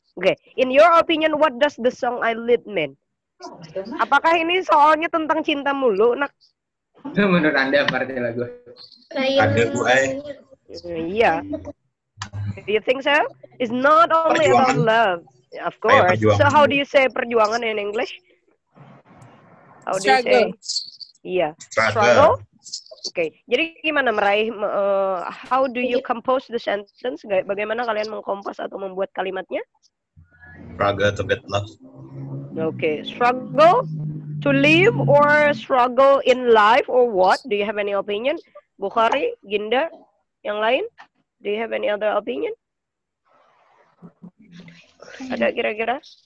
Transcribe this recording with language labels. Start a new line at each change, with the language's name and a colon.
English: Okay, in your opinion, what does the song I Live mean?
Indonesian: Apakah ini soalnya tentang cinta mulu, nak? Itu menurut Anda berarti lagu? Ada Bu Ai.
English: Iya. Do you think so? It's not only perjuangan. About love. Of course. So how do you say perjuangan in English? How do struggle. You say? Yeah. Struggle. Okay.
Indonesian: Jadi gimana meraih
English: how do you compose the sentence?
Indonesian: Bagaimana kalian mengkompos atau membuat kalimatnya?
English: Struggle to get love. Okay. Struggle to live or struggle in life or what? Do you have any opinion? Bukhari, Ginda,
Indonesian: yang lain?
English: Do you have any other opinion?
Indonesian: Ada kira-kira?